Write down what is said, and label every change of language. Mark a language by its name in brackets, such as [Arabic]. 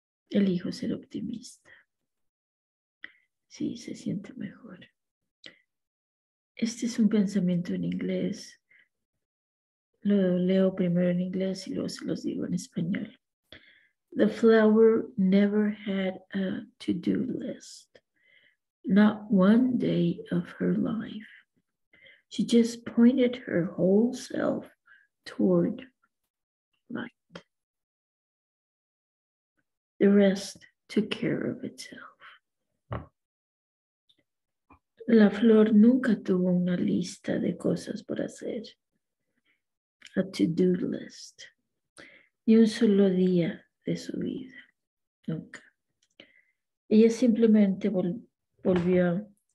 [Spanish] Elijo ser optimista. Sí, se siente mejor. Este es un pensamiento en inglés. Lo leo primero en inglés y luego se los digo en español. [English] The flower never had a to-do list. Not one day of her life. She just pointed her whole self toward light. The rest took care of itself. [Spanish] La flor nunca tuvo una lista de cosas por hacer. A to-do list. Ni un solo día de su vida. Nunca. Ella simplemente volvía.